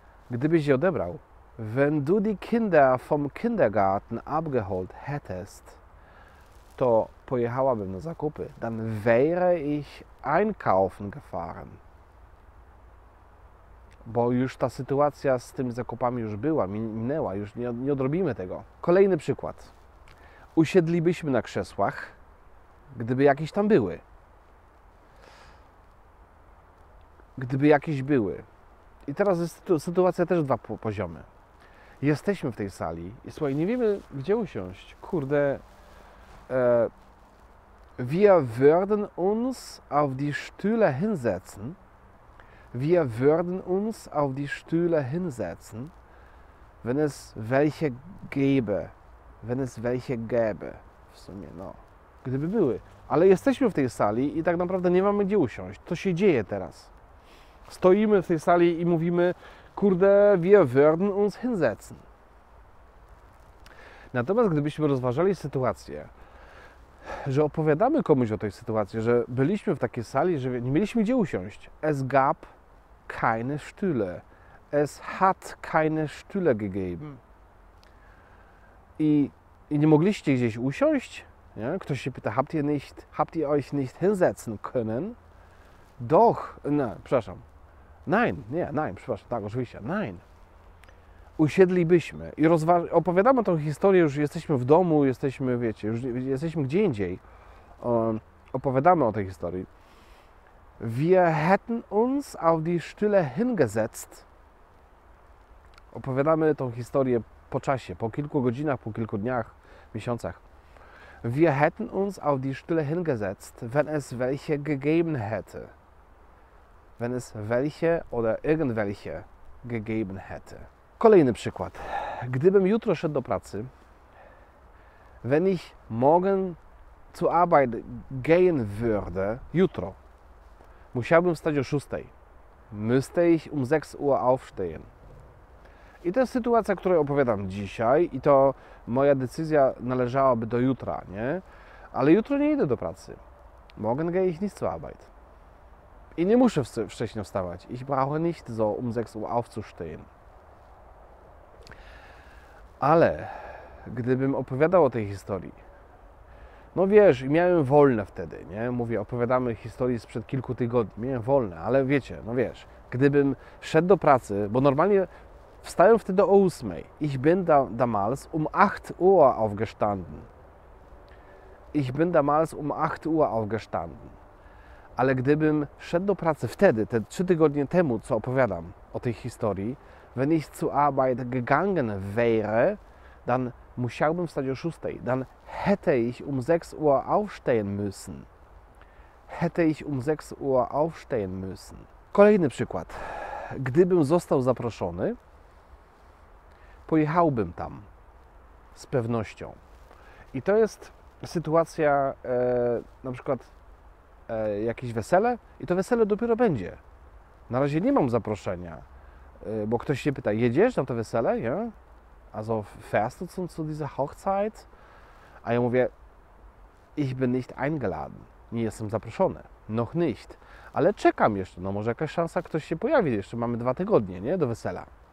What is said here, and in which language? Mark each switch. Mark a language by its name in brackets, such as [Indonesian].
[Polish] Gdybyś je odebrał, [German] wenn du die Kinder vom Kindergarten abgeholt hättest, [Polish] to pojechałabym na zakupy. [German] Dann wäre ich einkaufen gefahren. [Polish] Bo już ta sytuacja z tymi zakupami już była, minęła, już nie odrobimy tego. Kolejny przykład. Usiedlibyśmy na krzesłach, gdyby jakieś tam były. Gdyby jakieś były. I teraz jest sytuacja też dwa poziomy. Jesteśmy w tej sali i słuchaj, nie wiemy, gdzie usiąść. Kurde. [German] Wir würden uns auf die Stühle hinsetzen. Wir würden uns auf die Stühle hinsetzen, wenn es welche gäbe. Wenn es welche gäbe. [Polish] W sumie, no. Gdyby były. Ale jesteśmy w tej sali i tak naprawdę nie mamy gdzie usiąść. To się dzieje teraz. Stoimy w tej sali i mówimy, kurde, [German] wir würden uns hinsetzen. [Polish] Natomiast gdybyśmy rozważali sytuację, że opowiadamy komuś o tej sytuacji, że byliśmy w takiej sali, że nie mieliśmy gdzie usiąść. [German] Es gab keine Stühle. Es hat keine Stühle gegeben. [Polish] I nie mogliście gdzieś usiąść? Nie? Ktoś się pyta, [German] habt ihr euch nicht hinsetzen können? Doch, ne, [Polish] przepraszam. [German] Nein, [Polish] nie, [German] nein, [Polish] przepraszam, tak, oczywiście, nein. Usiedlibyśmy i opowiadamy tą historię, już jesteśmy w domu, jesteśmy, wiecie, już jesteśmy gdzie indziej. Opowiadamy o tej historii. [German] Wir hätten uns auf die Stühle hingesetzt. [Polish] Opowiadamy tą historię po czasie, po kilku godzinach, po kilku dniach, miesiącach. [German] Wir hätten uns auf die Stühle hingesetzt, wenn es welche gegeben hätte. Wenn es welche oder irgendwelche gegeben hätte. [Polish] Kolejny przykład. Gdybym jutro szedł do pracy, [German] wenn ich morgen zur Arbeit gehen würde, [Polish] jutro, musiałbym wstać o 6. [German] Müsste ich 6 Uhr aufstehen. [Polish] I to jest sytuacja, którą opowiadam dzisiaj i to moja decyzja należałaby do jutra, nie? Ale jutro nie idę do pracy. [German] Morgen gehe ich nicht zur Arbeit. [Polish] I nie muszę wcześniej wstawać. [German] Ich brauche nicht so 6 Uhr aufzustehen. [Polish] Ale gdybym opowiadał o tej historii, no wiesz, miałem wolne wtedy, nie? Mówię, opowiadamy historii sprzed kilku tygodni. Miałem wolne, ale wiecie, no wiesz, gdybym szedł do pracy, bo normalnie wstaję wtedy o 8. [German] Ich bin damals 8 Uhr aufgestanden. Ich bin damals 8 Uhr aufgestanden. [Polish] Ale gdybym szedł do pracy wtedy, te 3 tygodnie temu, co opowiadam o tej historii, [German] wenn ich zur Arbeit gegangen wäre, [Polish] dann musiałbym wstać o 6. [German] Dann hätte ich 6 Uhr aufstehen müssen. Hätte ich 6 Uhr aufstehen müssen. [Polish] Kolejny przykład. Gdybym został zaproszony, pojechałbym tam. Z pewnością. I to jest sytuacja, na przykład jakieś wesele i to wesele dopiero będzie. Na razie nie mam zaproszenia, bo ktoś się pyta, jedziesz na to wesele? Ja? [German] Also fährst du zu dieser Hochzeit? [Polish] A ja mówię, [German] ich bin nicht eingeladen. [Polish] Nie jestem zaproszony. [German] Noch nicht. [Polish] Ale czekam jeszcze, no może jakaś szansa, ktoś się pojawi. Jeszcze mamy 2 tygodnie, nie? Do wesela.